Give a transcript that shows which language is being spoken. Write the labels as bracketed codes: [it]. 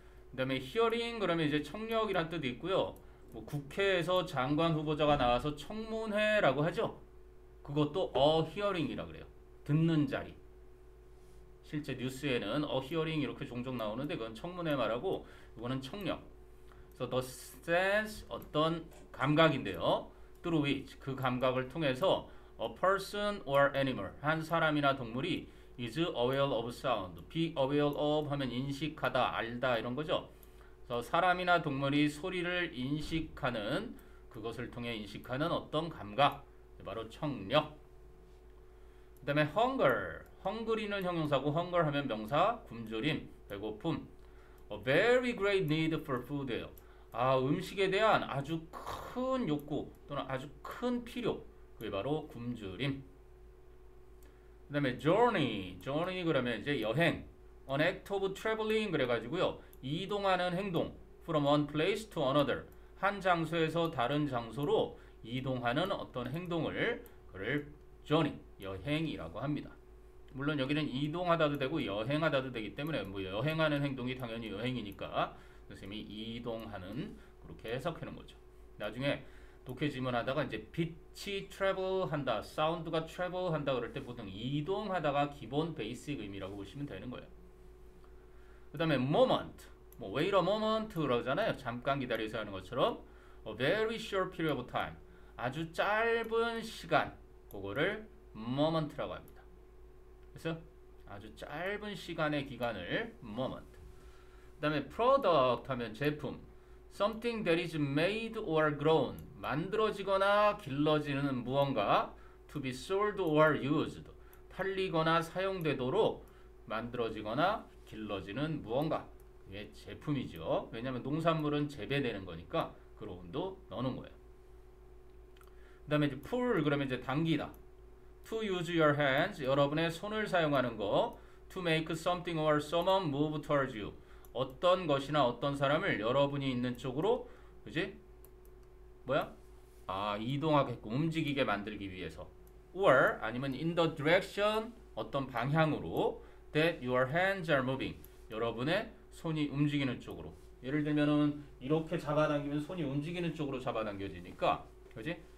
[ko] 그 다음에 hearing 그러면 이제 청력이란 뜻이 있고요. 뭐 국회에서 장관 후보자가 나와서 청문회라고 하죠. 그것도 a hearing이라고 그래요. 듣는 자리. 실제 뉴스에는 a hearing 이렇게 종종 나오는데 그건 청문회 말하고 이거는 청력. [en] So the sense [ko] 어떤 감각인데요. [en] Through which [ko] 그 감각을 통해서 [en] a person or animal [ko] 한 사람이나 동물이 [en] is aware of sound. [ko] be aware of 하면 인식하다, 알다 이런 거죠. 그래서 사람이나 동물이 소리를 인식하는 그것을 통해 인식하는 어떤 감각 바로 청력. 그 다음에 hunger. hungry는 형용사고 hunger 하면 명사 굶주림, 배고픔. [en] a very great need for food 예요. [ko] 아, 음식에 대한 아주 큰 욕구 또는 아주 큰 필요 그게 바로 굶주림. 그 다음에 journey. journey 그러면 이제 여행. [en] an act of traveling [ko] 그래가지고요 이동하는 행동. [en] from one place to another [ko] 한 장소에서 다른 장소로 이동하는 어떤 행동을 그를 journey 여행이라고 합니다. 물론 여기는 이동하다도 되고 여행하다도 되기 때문에 뭐 여행하는 행동이 당연히 여행이니까 선생님이 이동하는 그렇게 해석하는 거죠. 나중에 독해 질문하다가 이제 빛이 travel 한다, 사운드가 travel 한다 그럴 때 보통 이동하다가 기본 베이식 의미라고 보시면 되는 거예요. 그 다음에 moment, 뭐 [en] wait a moment [ko] 그러잖아요. 잠깐 기다려서 하는 것처럼 [en] a very short period of time, [ko] 아주 짧은 시간, 그거를 moment라고 합니다. 그래서 아주 짧은 시간의 기간을 moment. 그 다음에 product 하면 제품. [en] something that is made or grown. [ko] 만들어지거나 길러지는 무언가. [en] to be sold or used. [ko] 팔리거나 사용되도록 만들어지거나 길러지는 무언가. 그게 제품이죠. 왜냐하면 농산물은 재배되는 거니까 그로운도 넣는 거예요. 그 다음에 이제 pull 그러면 이제 당기다. [en] to use your hands. [ko] 여러분의 손을 사용하는 거. [en] to make something or someone move towards you. [ko] 어떤 것이나 어떤 사람을 여러분이 있는 쪽으로 그지? 뭐야? 아, 이동하겠고 움직이게 만들기 위해서 or 아니면 [en] in the direction [ko] 어떤 방향으로 [en] that your hands are moving [ko] 여러분의 손이 움직이는 쪽으로 예를 들면은 이렇게 잡아당기면 손이 움직이는 쪽으로 잡아당겨지니까 그지?